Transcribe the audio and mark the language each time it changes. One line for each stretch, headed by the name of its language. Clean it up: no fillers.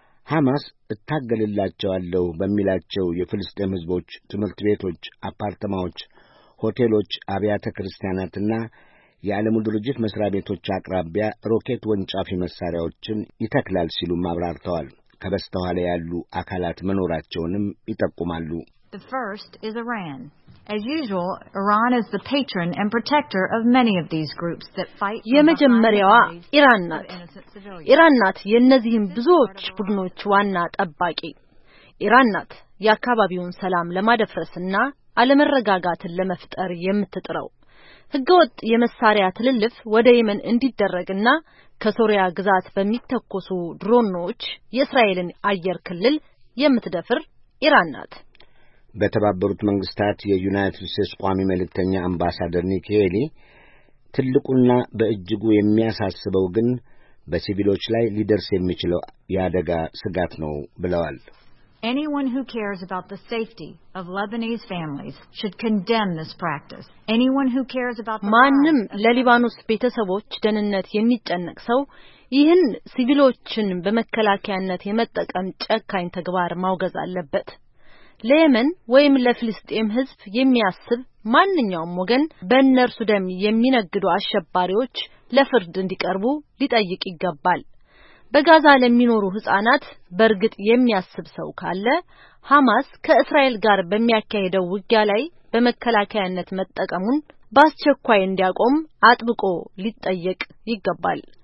Amharic: ሐማስ እታገልላቸዋለሁ በሚላቸው የፍልስጤም ህዝቦች ትምህርት ቤቶች፣ አፓርትማዎች፣ ሆቴሎች፣ አብያተ ክርስቲያናትና የዓለም ድርጅት መስሪያ ቤቶች አቅራቢያ ሮኬት ወንጫፊ መሳሪያዎችን ይተክላል ሲሉ ማብራርተዋል። ከበስተኋላ ያሉ አካላት መኖራቸውንም ይጠቁማሉ።
English: The first is Iran. As usual, Iran is the patron and protector of many of these groups that fight.
Amharic: የመጀመሪያዋ ኢራን ናት። ኢራን ናት የነዚህን ብዙዎች ቡድኖች ዋና ጠባቂ። ኢራን ናት የአካባቢውን ሰላም ለማደፍረስና አለመረጋጋትን ለመፍጠር የምትጥረው። ህገወጥ የመሳሪያ ትልልፍ ወደ የመን እንዲደረግና ከሶሪያ ግዛት በሚተኮሱ ድሮኖች የእስራኤልን አየር ክልል የምትደፍር ኢራን ናት። በተባበሩት መንግስታት የዩናይትድ ስቴትስ ቋሚ መልእክተኛ አምባሳደር ኒኪ ሄሊ ትልቁና በእጅጉ የሚያሳስበው ግን በሲቪሎች ላይ ሊደርስ የሚችለው የአደጋ ስጋት ነው ብለዋል።
English: Anyone who cares about the safety of Lebanese families should condemn this practice. Anyone who cares about the
Amharic: ማንም ለሊባኖስ ቤተሰቦች ደህንነት የሚጨነቅ ሰው ይህን ሲቪሎችን በመከላከያነት የመጠቀም ጨካኝ ተግባር ማውገዝ አለበት። ለየመን ወይም ለፍልስጤም ህዝብ የሚያስብ ማንኛውም ወገን በእነርሱ ደም የሚነግዱ አሸባሪዎች ለፍርድ እንዲቀርቡ ሊጠይቅ ይገባል። በጋዛ ለሚኖሩ ህፃናት በርግጥ የሚያስብ ሰው ካለ ሐማስ ከእስራኤል ጋር በሚያካሄደው ውጊያ ላይ በመከላከያነት መጠቀሙን በአስቸኳይ እንዲያቆም አጥብቆ ሊጠየቅ ይገባል።